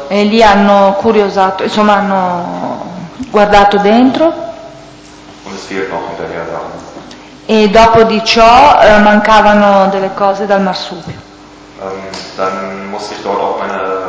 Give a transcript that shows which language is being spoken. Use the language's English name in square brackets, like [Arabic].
[Italian] E lì hanno curiosato, insomma hanno guardato dentro. [German] Und es fehlt noch hinterher Sachen. [Italian] E dopo di ciò mancavano delle cose dal marsupio. [German] Dann musste ich dort auch meine.